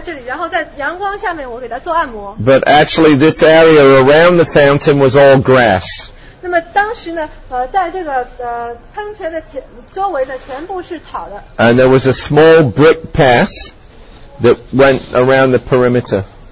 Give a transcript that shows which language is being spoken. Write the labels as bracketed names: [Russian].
[Chinese] 那么就在这个椅子前面呢，我会在地上铺一层草的垫子，然后他就会在这里，然后在阳光下面我给他做按摩。 [English] But actually this area around the fountain was all grass. [Chinese] 那么当时呢，在这个喷泉的周围的全部是草的。 [English] And there was a small brick path that went around the perimeter.